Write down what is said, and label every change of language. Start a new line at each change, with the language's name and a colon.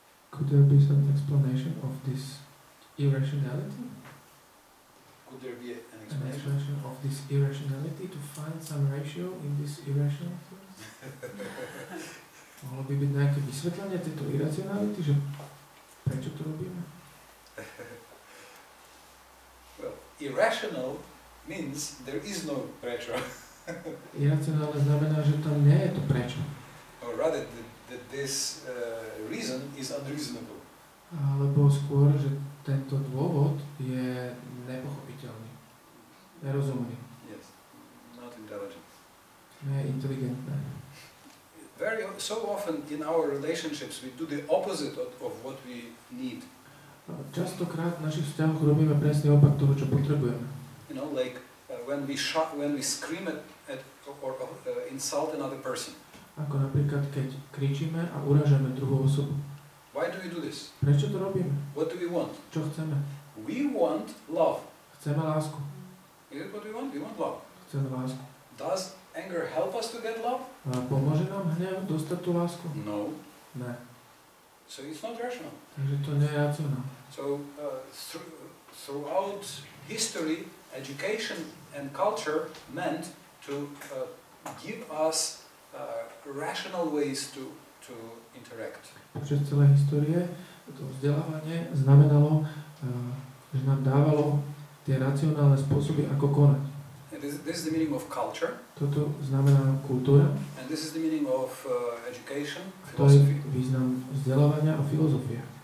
English: Could there be some explanation of this irrationality? Could there be an explanation of this irrationality to find some ratio in this irrationality?
Slovak: Mohlo by byť nejaké vysvetlenie tejto iracionality, že prečo to robíme?
English: Well, irrational means there is no pressure.
Slovak: Iracionálne znamená, že tam nie je to prečo.
English: Or rather, that this reason is unreasonable.
Slovak: Alebo skôr, že tento dôvod je nepochopiteľný, nerozumný.
English: Yes, not intelligent.
Slovak: Nie je inteligentné.
English: Very so often in our relationships we do the opposite of what we need.
Slovak: Častokrát v našich vzťahoch robíme presne opak toho, čo potrebujeme.
English: You know, like when we scream at or insult another person.
Slovak: Ako napríklad keď kričíme a urážame druhú osobu.
English: Why do we do this?
Slovak: Prečo to robíme?
English: What do we want?
Slovak: Čo chceme?
English: We want love.
Slovak: Chceme lásku.
English: Is it what we want? We want love.
Slovak: Chceme lásku.
English: Does anger help us to get love?
Slovak: A pomôže nám hnev dostať tú lásku?
English: No.
Slovak: Ne.
English: So it's not rational.
Slovak: Takže to nie je racionál.
English: So throughout history, education and culture meant to give us rational ways to interact.
Slovak: Počas celé histórie to vzdelávanie znamenalo, že nám dávalo tie racionálne spôsoby, ako konať.
English: This is the meaning of culture.
Slovak: Toto znamená kultúra.
English: And this is the meaning of education, philosophy.
Slovak: To je význam vzdelávania a filozofie.